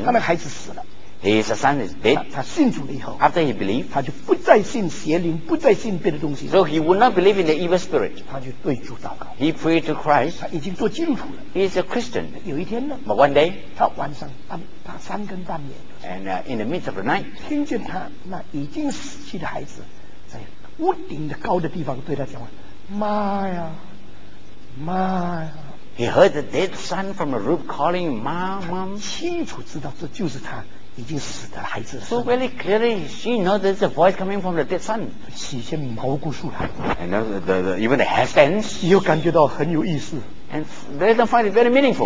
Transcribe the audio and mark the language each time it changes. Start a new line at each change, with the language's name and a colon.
Chinese: 他那个孩子死了。
English: His son is dead.
Chinese: 他信主了以后。
English: After he believed,
Chinese: 他就不再信邪灵，不再信别的东西。
English: So he would not believe in the evil spirit.
Chinese: 他就对主祷告。
English: He prayed to Christ.
Chinese: 他已经做基督徒了。
English: He is a Christian.
Chinese: 有一天呢。
English: But one day,
Chinese: 他晚上打三更半夜。
English: And in the midst of the night,
Chinese: 听见他那已经死去的孩子在屋顶的高的地方对他讲话，妈呀，妈呀。
English: He heard the dead son from the roof calling, "Mom, Mom."
Chinese: 清楚知道这就是他已经死的孩子。
English: So very clearly, she knows there's a voice coming from the dead son.
Chinese: 起些毛骨悚然。
English: And the even the hair stands.
Chinese: 又感觉到很有意思。
English: And they don't find it very meaningful.